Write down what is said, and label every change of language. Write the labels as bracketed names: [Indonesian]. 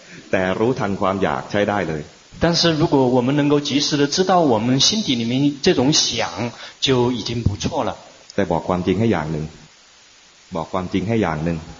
[Thai] แต่รู้ทันความอยากใช้ได้เลย [Chinese] 但是如果我们能够及时的知道我们心底里面这种想就已经不错了 [Thai] แต่บอกความจริงให้อย่างหนึ่งบอกความจริงให้อย่างหนึ่ง